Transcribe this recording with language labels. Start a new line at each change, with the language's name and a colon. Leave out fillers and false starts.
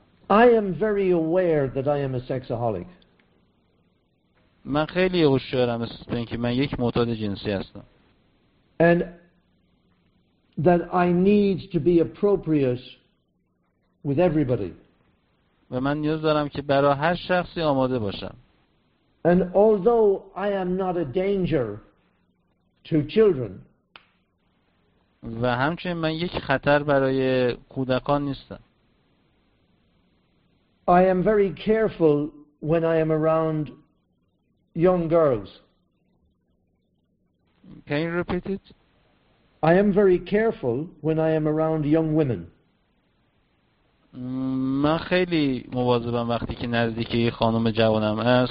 English: I am very aware that I am a sexaholic.
Persian: من خیلی هوشیارم است اینکه من یک معتاد جنسی هستم.
English: And that I need to be appropriate with everybody.
Persian: و من نیاز دارم که برای هر شخصی آماده باشم.
English: And although I am not a danger to children.
Persian: و همچنین من یک خطر برای کودکان نیستم.
English: I am very careful when I am around young girls. Can you repeat it? I am very careful when I am around young women.
Persian: من خیلی مواظبم وقتی که نزدیک خانم جوانم.